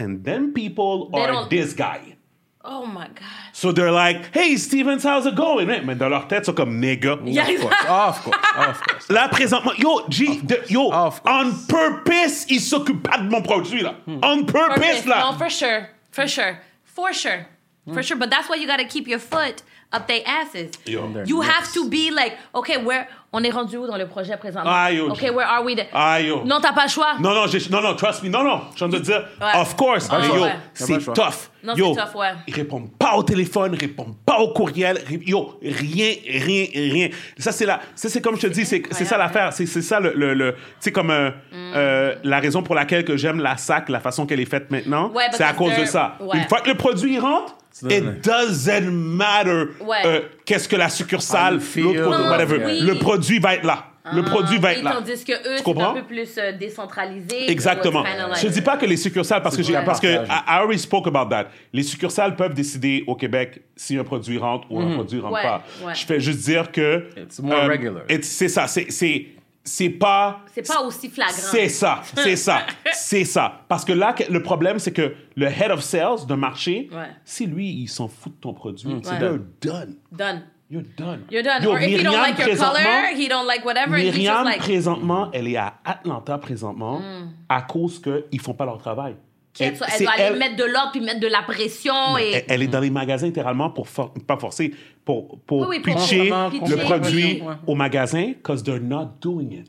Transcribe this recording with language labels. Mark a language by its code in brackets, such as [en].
[en] And then people they are this guy. Oh my God. So they're like, hey, Stevens, how's it going? [fr] Mais dans leur tête, ils sont comme nigga. [en] Yeah. Of course. [fr] Là, présentement, [en] on purpose, [fr] ils s'occupent pas de mon produit, là. [en] Mm. On purpose, là. No, for sure. Mm. For sure. But that's why you got to keep your foot up their asses. Yo. You have to be like, okay, where, [fr] On est rendu où dans le projet présentement? Ah, yo, [en] OK, where are we? Ah, yo. [fr] Non, t'as pas le choix. Non, non, j'ai, non, non, [en] trust me. [fr] Non, non, je viens de dire, ouais. [en] Of course. [fr] Ah, mais yo, ouais. C'est tough. Non, yo, c'est tough, ouais. Ils répondent pas au téléphone, ils répondent pas au courriel. Yo, rien, rien, rien. Ça, c'est là. Ça, c'est comme je te dis, c'est ça l'affaire. C'est ça le tu sais, comme la raison pour laquelle que j'aime la SAC, la façon qu'elle est faite maintenant. Ouais, c'est à cause de ça. Ouais. Une fois que le produit rentre, [en] it doesn't matter [fr] qu'est-ce que la succursale, l'autre produit, whatever. Oui. Le produit va être là. Le produit va être là. Tandis que eux, c'est un peu plus décentralisé. Exactement. Je ne dis pas que les succursales, parce c'est que, parce que [en] I already spoke about that. [fr] Les succursales peuvent décider au Québec si un produit rentre ou un produit ne rentre pas. Ouais. Je fais juste dire que... [en] It's more regular. [fr] It's, c'est ça, c'est... C'est pas aussi flagrant. C'est ça, c'est ça, c'est ça. Parce que là, le problème, c'est que le head of sales d'un marché, si lui, il s'en fout de ton produit, c'est done. [en] Done. You're done. You're done. Yo, or Myriam, if he don't like your color, he don't like whatever. Myriam, he's just like... [fr] présentement, elle est à Atlanta présentement à cause qu'ils font pas leur travail. Elle doit aller mettre de l'ordre puis mettre de la pression. Et... Elle est dans les magasins littéralement pour pitcher le produit au magasin [en] because they're not doing it.